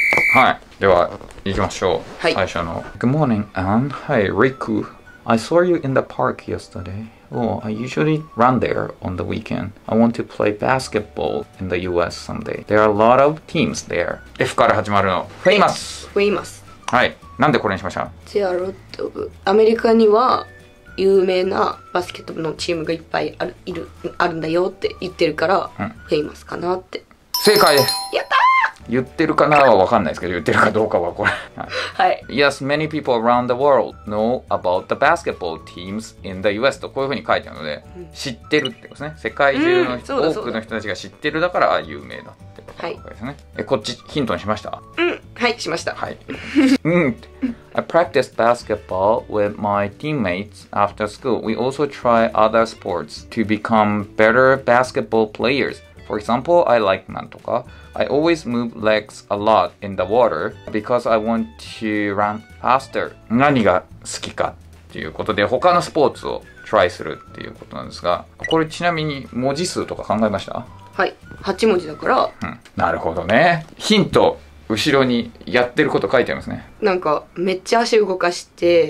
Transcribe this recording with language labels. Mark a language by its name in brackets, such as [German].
[Japanese] はい、では行きましょう、はい、 [English] 最初の Good morning, Anne. Hi, Riku. I saw you in the park yesterday. Oh, I usually run there on the weekend. I want to play basketball in the US someday. There are a lot of teams there. F から始まるの。 Famous! Famous. [Japanese] はい。なんでこれにしました？ [English] There are a lot of... [Japanese] アメリカには有名なバスケットのチームがいっぱいあるんだよって言ってるから、うん、 Famous かなって。正解！やったー！言ってるかなは分かんないですけど、言ってるかどうかはこれ。はい。 [English] Yes, many people around the world know about the basketball teams in the US とこういうふうに書いてあるので、 [Japanese] うん、知ってるってことですね。世界中の多くの人たちが知ってる、だから有名だってことですね。え、こっちヒントにしました？うん、はい、しました。はい。うん。 [English] I practiced basketball with my teammates after school. We also try other sports to become better basketball players. For example, I like なんとか。I always move legs a lot in the water because I want to run faster. [Japanese] 何が好きかっていうことで、他のスポーツを try するっていうことなんですが、これちなみに文字数とか考えました？はい、8文字だから、うん、なるほどね。ヒント、後ろにやってること書いてますね。なんかめっちゃ足動かして、